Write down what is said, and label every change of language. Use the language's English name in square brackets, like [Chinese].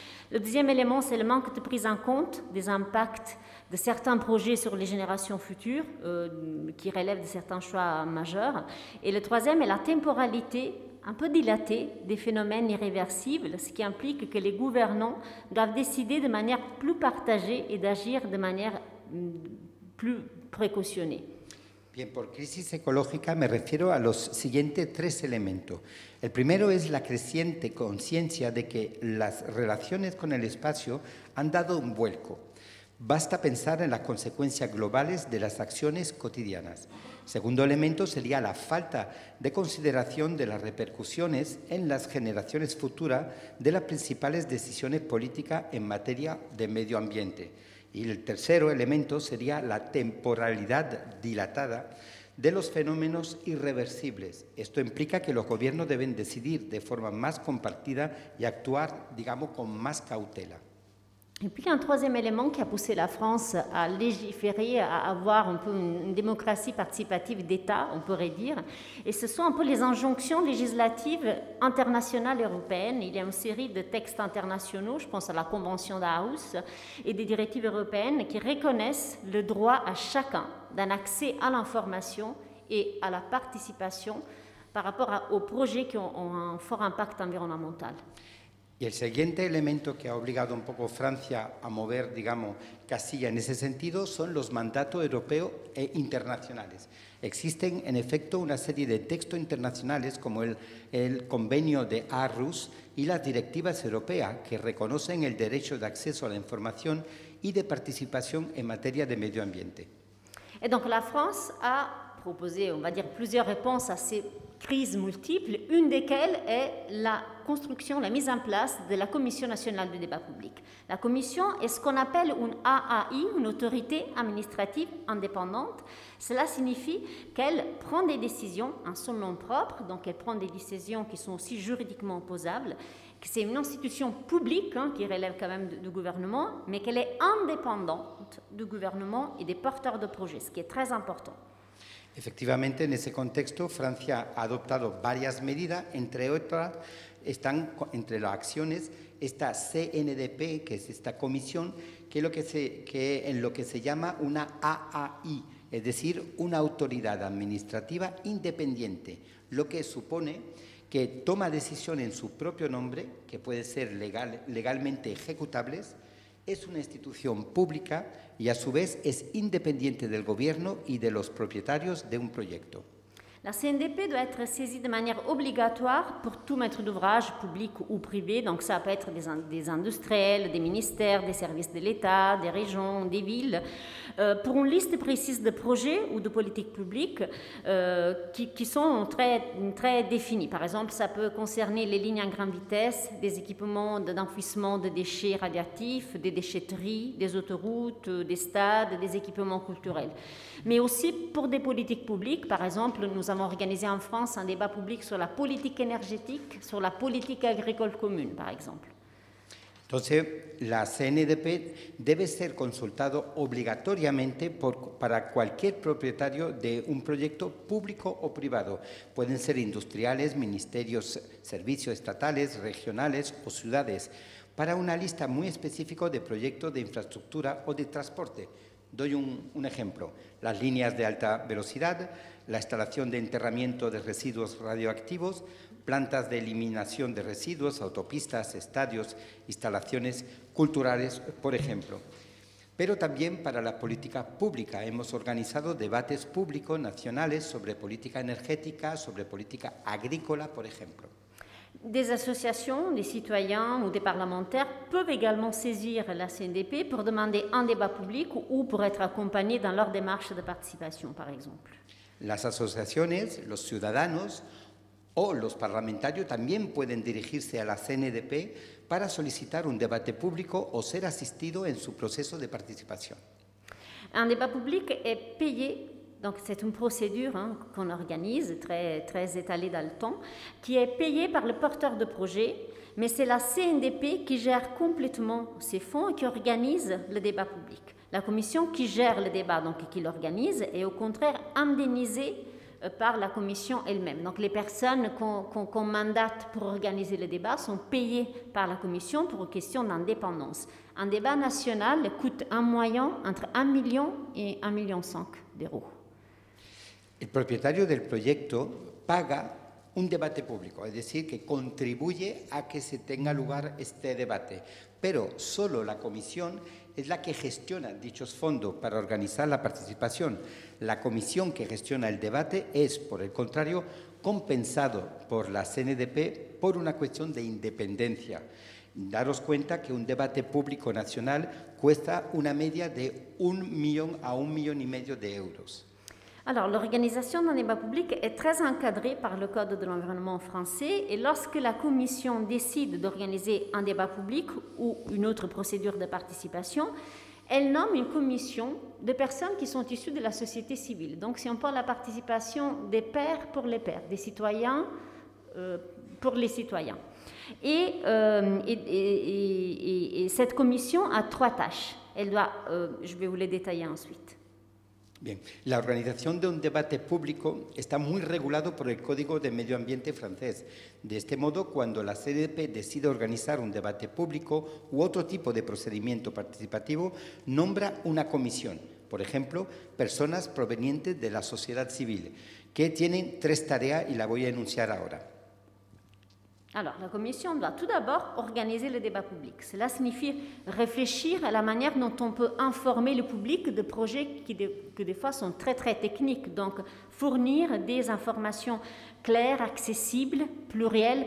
[French] Le deuxième élément, c'est le manque de prise en compte des impacts de certains projets sur les générations futures qui relèvent de certains choix majeurs. Et le troisième est la temporalité un peu dilatée des phénomènes irréversibles, ce qui implique que les gouvernants doivent décider de manière plus partagée et d'agir de manière plus précautionnée. [Spanish] Bien, por crisis ecológica me refiero a los siguientes tres elementos. El primero es la creciente conciencia de que las relaciones con el espacio han dado un vuelco. Basta pensar en las consecuencias globales de las acciones cotidianas. Segundo elemento sería la falta de consideración de las repercusiones en las generaciones futuras de las principales decisiones políticas en materia de medio ambiente. Y el tercero elemento sería la temporalidad dilatada de los fenómenos irreversibles. Esto implica que los gobiernos deben decidir de forma más compartida y actuar, digamos, con más cautela. [French] Et puis, un troisième élément qui a poussé la France à légiférer, à avoir un peu une démocratie participative d'État, on pourrait dire, et ce sont un peu les injonctions législatives internationales européennes. Il y a une série de textes internationaux, je pense à la Convention d'Aarhus, et des directives européennes qui reconnaissent le droit à chacun d'un accès à l'information et à la participation par rapport aux projets qui ont un fort impact environnemental. [Spanish] Y el siguiente elemento que ha obligado un poco Francia a mover, digamos, casilla en ese sentido son los mandatos europeos e internacionales. Existen, en efecto, una serie de textos internacionales como el convenio de Aarhus y las directivas europeas que reconocen el derecho de acceso a la información y de participación en materia de medio ambiente. [French] Et donc la France a proposé, on va dire, plusieurs réponses à ces crise multiple, une desquelles est la construction, la mise en place de la Commission nationale du débat public. La Commission est ce qu'on appelle une AAI, une autorité administrative indépendante. Cela signifie qu'elle prend des décisions en son nom propre, donc elle prend des décisions qui sont aussi juridiquement opposables, que c'est une institution publique hein, qui relève quand même du gouvernement, mais qu'elle est indépendante du gouvernement et des porteurs de projets, ce qui est très important. [Spanish] Efectivamente, en ese contexto, Francia ha adoptado varias medidas, entre otras, están entre las acciones esta CNDP, que es esta comisión, que es lo que se llama una AAI, es decir, una autoridad administrativa independiente, lo que supone que toma decisiones en su propio nombre, que puede ser legalmente ejecutables. Es una institución pública y a su vez es independiente del gobierno y de los propietarios de un proyecto. [French] La CNDP doit être saisie de manière obligatoire pour tout maître d'ouvrage public ou privé, donc ça peut être des industriels, des ministères, des services de l'État, des régions, des villes, pour une liste précise de projets ou de politiques publiques qui sont très, très définies. Par exemple, ça peut concerner les lignes à grande vitesse, des équipements d'enfouissement de déchets radioactifs, des déchetteries, des autoroutes, des stades, des équipements culturels. Mais aussi pour des politiques publiques, par exemple, nous avons organisé en France un débat public sur la politique énergétique, sur la politique agricole commune, par exemple. [Spanish] Entonces, la CNDP debe ser consultado obligatoriamente para cualquier propietario de un proyecto público o privado. Pueden ser industriales, ministerios, servicios estatales, regionales o ciudades, para una lista muy específica de proyectos de infraestructura o de transporte. Doy un ejemplo, las líneas de alta velocidad, la instalación de enterramiento de residuos radioactivos, plantas de eliminación de residuos, autopistas, estadios, instalaciones culturales, por ejemplo. Pero también para la política pública hemos organizado debates públicos nacionales sobre política energética, sobre política agrícola, por ejemplo. [French] Des associations, des citoyens ou des parlementaires peuvent également saisir la CNDP pour demander un débat public ou pour être accompagnés dans leur démarche de participation, par exemple. [Spanish] Las asociaciones, los ciudadanos o los parlamentarios también pueden dirigirse a la CNDP para solicitar un debate público o ser asistido en su proceso de participación. [French] Un débat public est payé. Donc c'est une procédure hein, qu'on organise, très, très étalée dans le temps, qui est payée par le porteur de projet, mais c'est la CNDP qui gère complètement ces fonds et qui organise le débat public. La commission qui gère le débat, donc qui l'organise, est au contraire indemnisée par la commission elle-même. Donc les personnes qu'on mandate pour organiser le débat sont payées par la commission pour une question d'indépendance. Un débat national coûte en moyenne entre 1 million et 1,5 million d'euros. [Spanish] El propietario del proyecto paga un debate público, es decir, que contribuye a que se tenga lugar este debate, pero solo la comisión es la que gestiona dichos fondos para organizar la participación. La comisión que gestiona el debate es, por el contrario, compensado por la CNDP por una cuestión de independencia. Daros cuenta que un debate público nacional cuesta una media de [French] 1 million à 1,5 million de [Spanish] euros. [French] Alors, l'organisation d'un débat public est très encadrée par le Code de l'environnement français et lorsque la Commission décide d'organiser un débat public ou une autre procédure de participation, elle nomme une commission de personnes qui sont issues de la société civile. Donc, si on parle de la participation des pairs pour les pairs, des citoyens pour les citoyens. Et cette commission a trois tâches. Elle doit, je vais vous les détailler ensuite. [Spanish] Bien, la organización de un debate público está muy regulado por el Código de Medio Ambiente francés. De este modo, cuando la CNDP decide organizar un debate público u otro tipo de procedimiento participativo, nombra una comisión, Por ejemplo, personas provenientes de la sociedad civil, que tienen tres tareas y la voy a enunciar ahora. [French] Alors, la commission doit tout d'abord organiser le débat public. Cela signifie réfléchir à la manière dont on peut informer le public de projets qui, que des fois, sont très, très techniques. Donc, fournir des informations claires, accessibles, plurielles.